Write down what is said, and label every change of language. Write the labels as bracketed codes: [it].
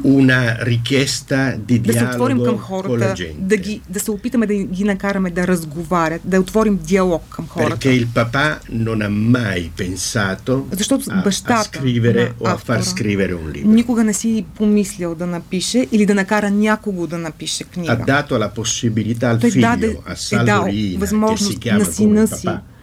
[it] una richiesta di dialogo con la gente, [bg] da se опитаме да ги накараме да разговарят, да отворим диалог към хората. [it] Perché il papà non ha mai pensato a scrivere o a far scrivere un libro. [bg] Никога не си помислил да напише или да накара някого да напише книга. [it] Ha dato la possibilità al figlio, a Salvo Rina, che si chiama come il papà,